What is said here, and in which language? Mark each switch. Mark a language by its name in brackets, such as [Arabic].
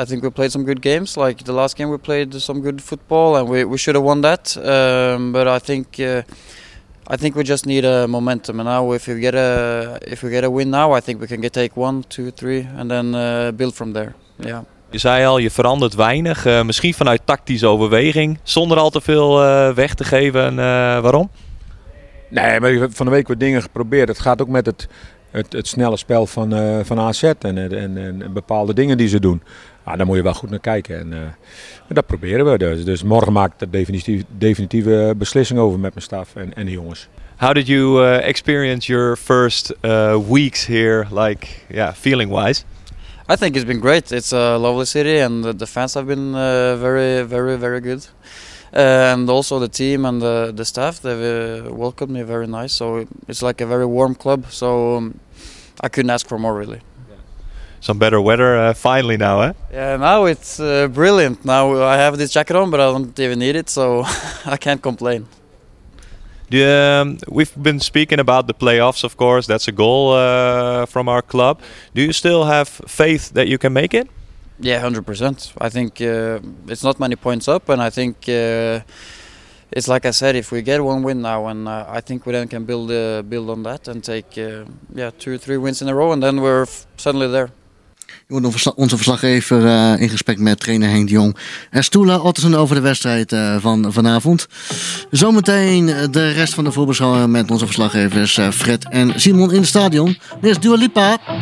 [English] I think we played some good games. Like the last game, we played some good football, and we should have won that. But I think we just need a momentum. And now, if we get a win now, I think we can take 1, 2, 3, and then build from there. Yeah. [Dutch] Je zei al, je verandert weinig. Misschien vanuit tactische overweging, zonder al te veel weg te geven. Waarom? Nee, maar ik heb van de week wat dingen geprobeerd. Het gaat ook met het snelle spel van AZ en bepaalde dingen die ze doen. Ah, daar moet je wel goed naar kijken. En dat proberen we. Dus morgen maak ik de definitieve beslissing over met mijn staf en de jongens. [English] How did you experience your first weeks here, like, yeah, feeling-wise? I think it's been great. It's a lovely city and the fans have been very, very, very good. And also the team and the staff, they've welcomed me very nice. So it's like a very warm club. So I couldn't ask for more, really. Some better weather finally now, eh? Yeah, now it's brilliant. Now I have this jacket on, but I don't even need it, so I can't complain. We've been speaking about the playoffs, of course. That's a goal from our club. Do you still have faith that you can make it? Yeah, 100%. I think it's not many points up, and I think it's like I said, if we get one win now, and I think we then can build on that and take 2 or 3 wins in a row, and then we're suddenly there. [Dutch] Je wordt onze verslaggever in gesprek met trainer Henk de Jong en Stula Ottersen over de wedstrijd van vanavond. Zometeen de rest van de voorbeschouwing met onze verslaggevers Fred en Simon in het stadion. Dit is Dua Lipa.